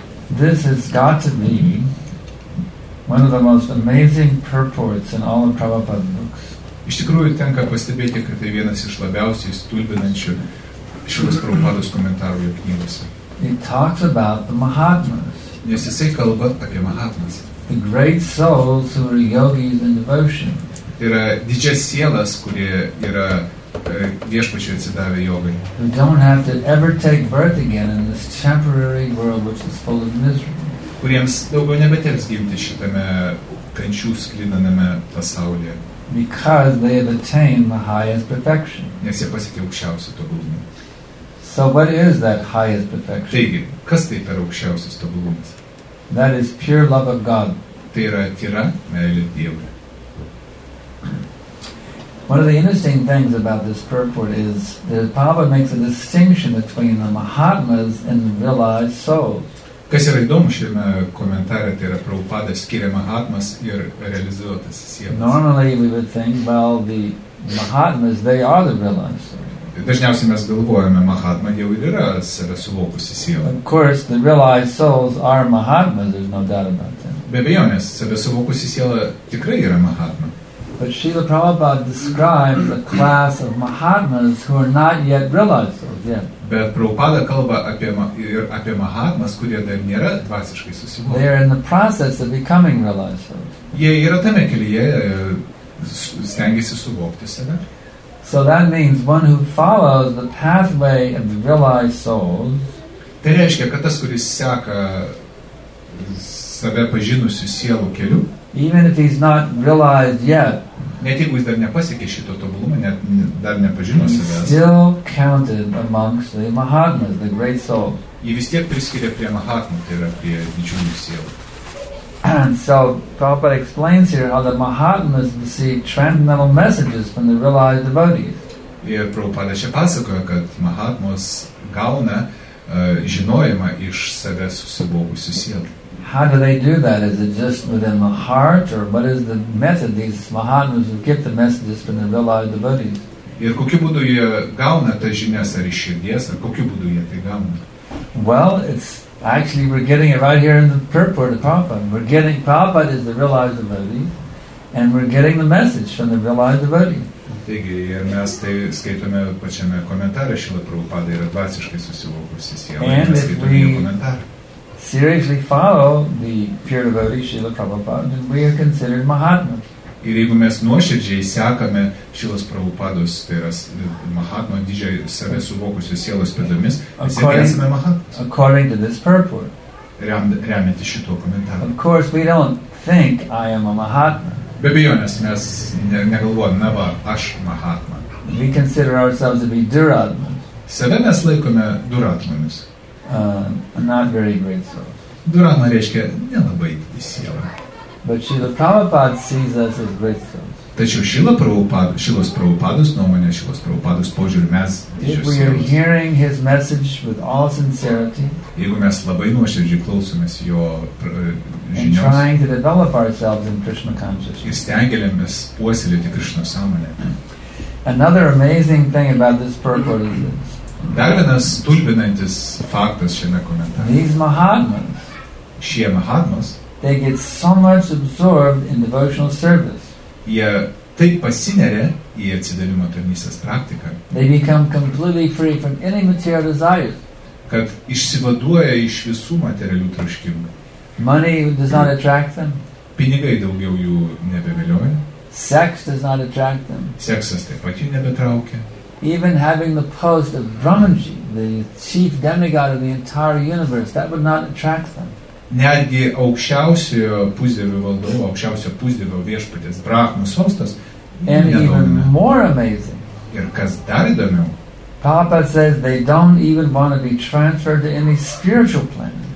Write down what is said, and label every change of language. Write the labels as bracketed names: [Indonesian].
[English] This has got to be one of the most amazing purports in all of Prabhupada's books. [Lithuanian] Iš tikrųjų tenka pastebėti, kad tai vienas iš labiausiai stulbinančių šios Prabhupados komentarų jo knygose. [English] He talks about the Mahatmas. [Lithuanian] Nes jisai kalba apie Mahatmas. [English] The great souls who are yogis in devotion. [Lithuanian] Tai yra didžias sielas, kurie yra viešpačiai atsidavę jogai. [English] Who don't have to ever take birth again in this temporary world which is full of misery. [Lithuanian] Kuriems daugiau nebeteks gimti šitame kančių sklidiname pasaulyje. [English] Because they have attained the highest perfection. [Lithuanian] Nes jie pasiekė aukščiausią tobulumą. [English] So what is that highest perfection? [Lithuanian] Taigi, kas tai per aukščiausias tobulumas? [English] That is pure love of God. [Lithuanian] Tai yra tyra meilė Dievui. [English] One of the interesting things about this purport is that Prabhupada makes a distinction between the Mahatmas and the realized souls. [Lithuanian] Kas yra įdomu šiame komentare, tai yra Prabhupada skiria Mahatmas ir realizuotas sielas. [English] Normally we would think, well, the Mahatmas, they are the realized souls. [Lithuanian] Dažniausiai mes galvojame, Mahatma jau ir yra save suvokusi siela. [English] Of course, the realized souls are Mahatmas, there's no doubt about that. [Lithuanian] Be abejonės, save suvokusi siela tikrai yra Mahatma. [English] But Srila Prabhupada describes a class of Mahatmas who are not yet realized souls yet. [Lithuanian] Bet Prabhupada kalba apie Mahatmas, kurie dar nėra dvasiškai susivokę. [English] They are in the process of becoming realized souls. [Lithuanian] Jie yra tame kelyje, stengiasi suvokti save. [English] So that means one who follows the pathway of the realized souls. [Lithuanian] Tai reiškia, kad tas, kuris seka save pažinusių sielų keliu. [English] Even if he's not realized yet. [Lithuanian] Net jeigu jis dar nepasiekė šito tobulumą, net dar nepažino savęs. [English] Still counted amongst the Mahatmas, the great souls. [Lithuanian] Jis vis tiek priskiria prie Mahatmų, tai yra prie didžiųjų sielų. [English] And so Prabhupada explains here how the Mahatmas receive transcendental messages from the realized devotees. [Lithuanian] Ir Prabhupada čia pasakoja, kad Mahatmas gauna žinojimą iš save susivokusių sielų. [English] How do they do that? Is it just within the heart, or what is the method these Mahatmas would get the messages from the realized devotees? [Lithuanian] Ir kokiu būdu jie gauna tas žinias, ar iš širdies, ar kokiu būdu jie tai gauna? [English] Well, it's actually, we're getting it right here in the purport of Prabhupada. We're getting, Prabhupada is the realized devotee, and we're getting the message from the realized devotee. [Lithuanian] Taigi, mes tai skaitome pačiame komentare, Šila Prabhupada yra dvasiškai susivokusi siela. [English] And [Lithuanian] mes skaitome jų komentarą. [English] Seriously follow the pure devotee, Šila Prabhupada, then we are considered Mahatma. [Lithuanian] Ir jeigu mes nuoširdžiai sekame Šilas Prabhupados, tai yra Mahatma, didžiai save suvokusios sielos pėdomis, mes jau esame Mahatmas. [English] According to this purport. [Lithuanian] Remiantis šito komentaro. [English] Of course, we don't think I am a Mahatma. [Lithuanian] Be abejonės, mes negalvojame, ne va, aš Mahatma. [English] We consider ourselves to be Duratma. [Lithuanian] Save mes laikome Duratmomis. [English] Not very great souls. [Lithuanian] Duratma reiškia nelabai didį sielą. [English] But Srila Prabhupada sees us as great souls. [Lithuanian] Tačiau Srila Prabhupada, Srilas Prabhupados nuomonė, Srilas Prabhupados požiūrį mes didžios sielos. [English] If we are hearing his message with all sincerity, [Lithuanian] jeigu mes labai nuoširdžiai klausomės jo žinios, [English] and trying to develop ourselves in Krishna consciousness, [Lithuanian] ir stengiamės puoselėti Krishna sąmonę. [English] Another amazing thing about this purport is this. [Lithuanian] Dar vienas stulbinantis faktas šiame komentare. [English] These Mahatmas, [Lithuanian] šie Mahatmas, [English] they get so much absorbed in devotional service. [Lithuanian] Jie taip pasineria į atsidavimo tarnystės praktiką. [English] They become completely free from any material desires. [Lithuanian] Kad išsivaduoja iš visų materialių troškimų. [English] Money does not attract them. [Lithuanian] Pinigai daugiau jų nebevilioja. [English] Sex does not attract them. [Lithuanian] Seksas taip pat jų nebetraukia. [English] Even having the post of Brahmanji, the chief demigod of the entire universe, that would not attract them. [Lithuanian] netgi aukščiausio pusdievio valdovo, aukščiausio pusdievio viešpatės Brahmos sostas. [English] And even more amazing. [Lithuanian] Ir kas dar įdomiau. [English] Papa says they don't even want to be transferred to any spiritual plane.